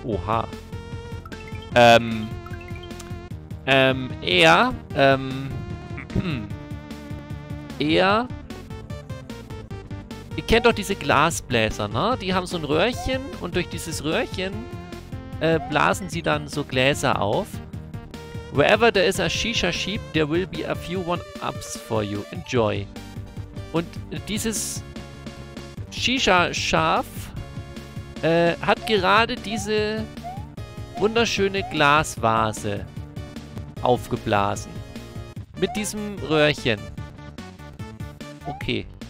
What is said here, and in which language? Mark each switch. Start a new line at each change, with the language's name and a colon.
German: Oha. Ihr kennt doch diese Glasbläser, ne? Die haben so ein Röhrchen und durch dieses Röhrchen blasen sie dann so Gläser auf.
English: Wherever there is a shisha sheep, there will be a few one-ups for you. Enjoy.
German: Und dieses Shisha-Schaf hat gerade diese wunderschöne Glasvase aufgeblasen. Mit diesem Röhrchen. Okay.